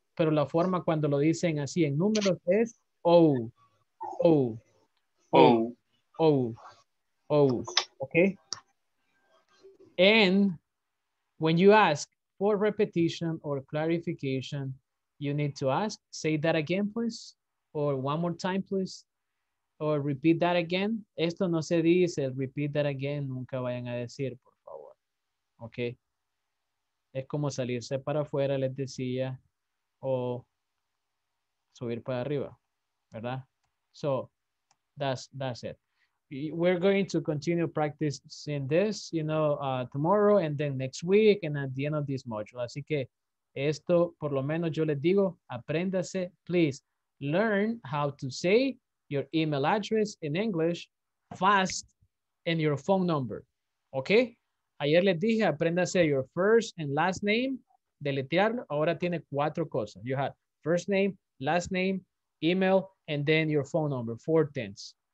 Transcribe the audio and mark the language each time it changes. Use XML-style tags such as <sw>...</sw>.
<es>Pero la forma cuando lo dicen así en números es O, O, O, O, O, ¿ok?</es> <en>And when you ask for repetition or clarification, you need to ask, say that again, please, or one more time, please, or repeat that again.</en> <es>Esto no se dice,</es> <en>repeat that again,</en> <es>nunca vayan a decir, por favor, ¿ok? Es como salirse para afuera, les decía, o subir para arriba, ¿verdad?</es> <en>So, that's it. We're going to continue practicing this, you know, tomorrow and then next week and at the end of this module.</en> <es>Así que esto, por lo menos yo les digo, apréndase, please.</es> <en>Learn how to say your email address in English fast and your phone number, okay?</en> <es>Ayer les dije, apréndase</es> <en>your first and last name,</en> <es>deletearlo. Ahora tiene cuatro cosas.</es> <en>You have first name, last name, email, and then your phone number, four things.</en>